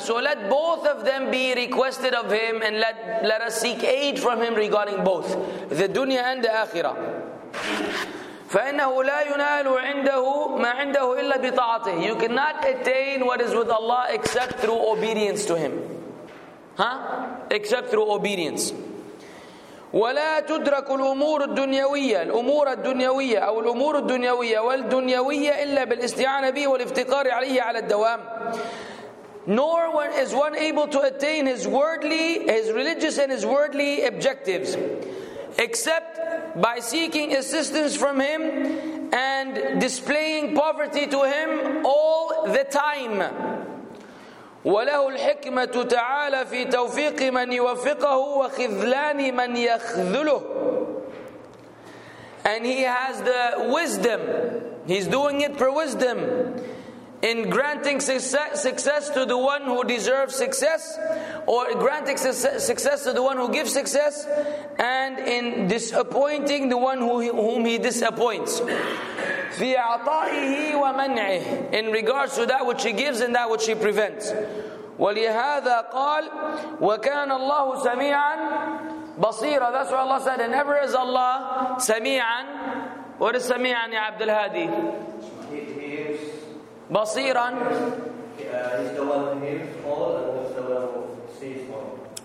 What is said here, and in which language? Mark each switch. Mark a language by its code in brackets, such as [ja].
[en] So let both of them be requested of him, and let us seek aid from him regarding both, the dunya and the akhirah. [ar] فَإِنَّهُ لَا يُنَالُ عِنْدَهُ مَا عِنْدَهُ إِلَّا بِطَاعَتِهِ. [en] You cannot attain what is with Allah except through obedience to him. Huh? Except through obedience. [ar] ولا تدرك الأمور الدنيوية, الأمور الدنيوية أو الأمور الدنيوية والدنيوية إلا بالاستعانة به والافتقار عليه على الدوام. [en] Nor is one able to attain his worldly, his religious and his worldly objectives except by seeking assistance from him and displaying poverty to him all the time. [ar] وله الحكمة تعالى في توفيق من يوفقه وخذلان من يخذله. [en] And he has the wisdom, he's doing it for wisdom, in granting success to the one who deserves success, or granting success to the one who gives success, and in disappointing the one whom he disappoints. [ar] في عطائه ومنعه, [en] in regards to that which he gives and that which he prevents. [ar] ولهذا قال وكان الله سميعا بصيرا. [en] That's why Allah said, and never is Allah سميعا. What is سميعا يا عبد الهادي؟ He hears. [ar] بصيرا. [en] He's the one who hears all and the one who sees all.